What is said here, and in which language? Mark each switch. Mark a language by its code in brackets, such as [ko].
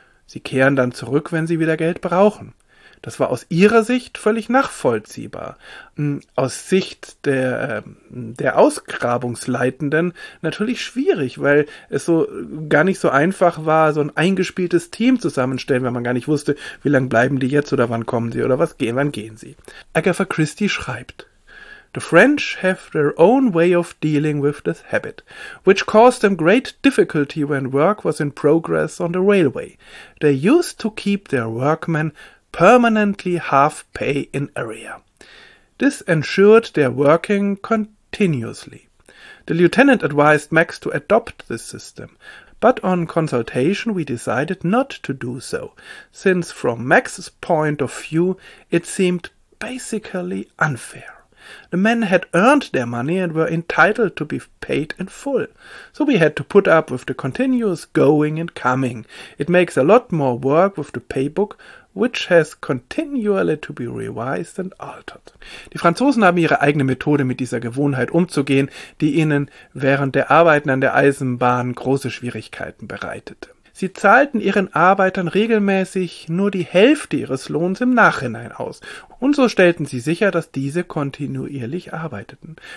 [de] Sie kehren dann zurück, wenn sie wieder Geld brauchen. Das war aus ihrer Sicht völlig nachvollziehbar. Aus Sicht der Ausgrabungsleitenden natürlich schwierig, weil es so gar nicht so einfach war, so ein eingespieltes Team zusammenstellen, wenn man gar nicht wusste, wie lange bleiben die jetzt oder wann kommen sie oder was gehen, wann gehen sie. [en] Agatha Christie [de] schreibt: [en] "The French have their own way of dealing with this habit, which caused them great difficulty when work was in progress on the railway. They used to keep their workmen permanently half pay in area. This ensured their working continuously. The lieutenant advised Max to adopt this system, but on consultation we decided not to do so, since from Max's point of view it seemed basically unfair. The men had earned their money and were entitled to be paid in full. So we had to put up with the continuous going and coming. It makes a lot more work with the paybook, which has continually to be revised and altered." [de] Die Franzosen haben ihre eigene Methode, mit dieser Gewohnheit umzugehen, die ihnen während der Arbeiten an der Eisenbahn große Schwierigkeiten bereitete. Sie zahlten ihren Arbeitern regelmäßig nur die Hälfte ihres Lohns im Nachhinein aus. Und so stellten sie sicher, dass diese kontinuierlich arbeiteten.